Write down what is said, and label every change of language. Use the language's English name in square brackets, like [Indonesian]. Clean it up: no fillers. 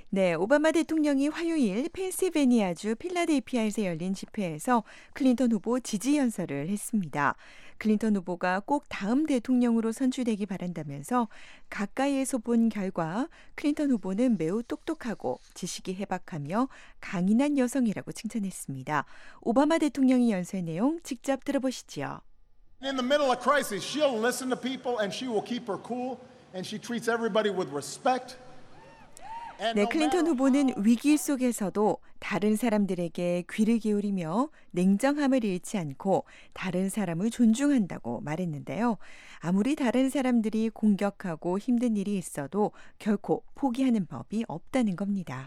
[Korean] 네, 오바마 대통령이 화요일 펜실베니아주 필라델피아에서 열린 집회에서 클린턴 후보 지지 연설을 했습니다. 클린턴 후보가 꼭 다음 대통령으로 선출되기 바란다면서 가까이에서 본 결과 클린턴 후보는 매우 똑똑하고 지식이 해박하며 강인한 여성이라고 칭찬했습니다. 오바마 대통령의 연설 내용 직접 들어보시죠. [English] In the middle of crisis, she'll listen to people and she will keep her cool and she treats everybody with respect. [Korean] 네, 클린턴 후보는 위기 속에서도 다른 사람들에게 귀를 기울이며 냉정함을 잃지 않고 다른 사람을 존중한다고 말했는데요. 아무리 다른 사람들이 공격하고 힘든 일이 있어도 결코 포기하는 법이 없다는 겁니다.